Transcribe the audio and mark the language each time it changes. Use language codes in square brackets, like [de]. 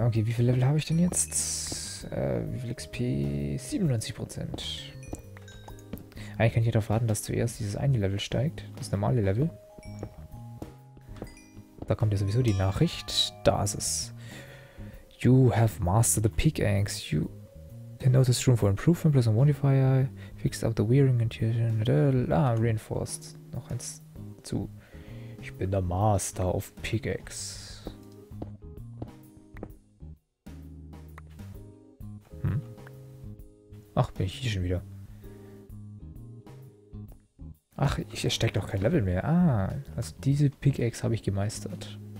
[de] Okay, wie viel Level habe ich denn jetzt? Wie viel XP? 97%. Eigentlich kann ich darauf warten, dass zuerst dieses eine Level steigt. Das normale Level. Da kommt ja sowieso die Nachricht. Da ist es. [en] You have mastered the pickaxe. You can notice room for improvement, plus a modifier, fixed up the wearing and reinforced. [de] Noch eins zu. Ich bin der Master of Pickaxe. Hm? Ach, bin ich hier schon wieder. Ach, hier steckt auch kein Level mehr. Ah, also diese Pickaxe habe ich gemeistert.